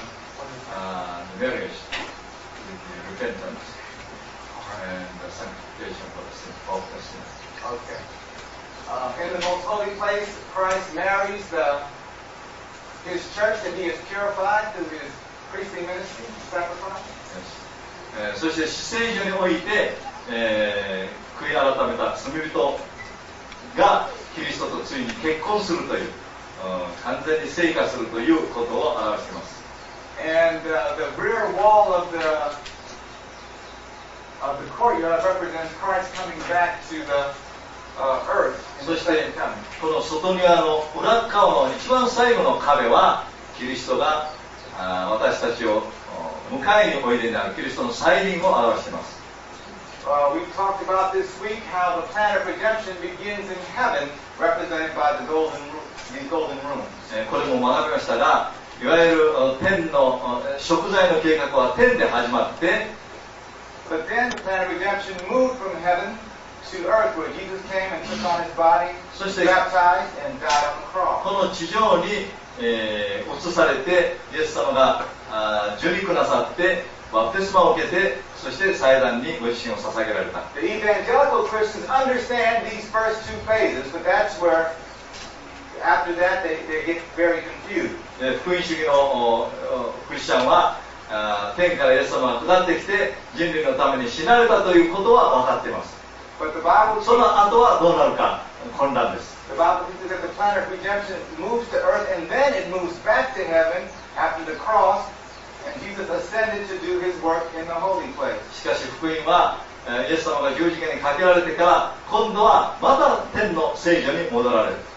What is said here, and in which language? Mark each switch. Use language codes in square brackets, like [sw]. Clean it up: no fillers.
[en] the marriage, the repentance, and the sanctification for the sin, all the sins. Okay. In the most holy place, Christ marries his church that he has purified through his priestly ministry, sacrifice. Yes. [ja] そして至聖所において悔い改めた罪人がキリストとついに結婚するという、完全に聖化するということを表しています。 [en] And the rear wall of the courtyard represents Christ coming back to the earth. [ja] そしてこの外庭の裏側の一番最後の壁はキリストが私たちを迎えにおいでになるキリストの再臨を表しています。 [en] We've talked about this week how the plan of redemption begins in heaven, represented by the golden rooms. [ja] これも学びましたが、いわゆる天の食材の計画は天で始まって、 [en] But then the plan of redemption moved from heaven to earth, where Jesus came and took on his body, baptized and died on the cross. [ja] この地上に移されて、イエス様が受肉なさって。バプテスマを受けて、そして祭壇にご自身を捧げられた。 [en] The evangelical Christians understand these first two phases, but that's where, after that, they get very confused. [ja] 福音主義のクリスチャンは、天からイエス様が下ってきて、人類のために死なれたということは分かっています。 [en] But the Bible teaches, [ja] その後はどうなるか、混乱です。 [en] The Bible teaches that the plan of redemption moves to earth, and then it moves back to heaven after the cross. [ja] しかし福音は、イエス様が十字架にかけられてから今度はまた天の聖所に戻られる。